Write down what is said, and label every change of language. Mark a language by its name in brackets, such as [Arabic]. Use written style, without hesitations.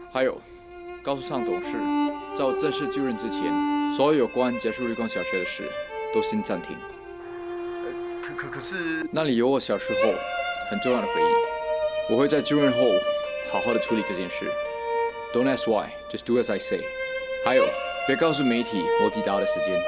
[Chinese] 还有，告诉上董事，在我正式就任之前，所有有关结束绿光小学的事都先暂停。可是，那里有我小时候很重要的回忆。我会在就任后好好的处理这件事。 [English] Don't ask why, just do as I say. [Chinese] 还有。别告诉媒体我抵达的时间。